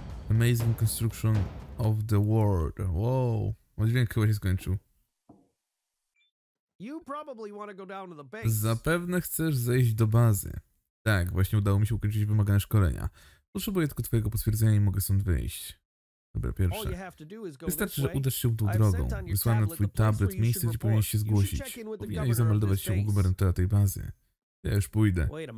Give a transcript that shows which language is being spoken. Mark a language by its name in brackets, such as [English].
[English] Amazing construction of the world. [Polish] Wow, o, dźwięk chyba się skończył. [English] You probably want to go down to the base. [Polish] Zapewne chcesz zejść do bazy. Tak, właśnie udało mi się ukończyć wymagane szkolenia. Potrzebuję tylko twojego potwierdzenia i mogę stąd wyjść. Dobra, pierwsze. Wystarczy, że udasz się tą drogą. Wysłałem na twój tablet miejsce, gdzie powinieneś się zgłosić. Powinieneś zameldować się u gubernatora tej bazy. Ja już pójdę.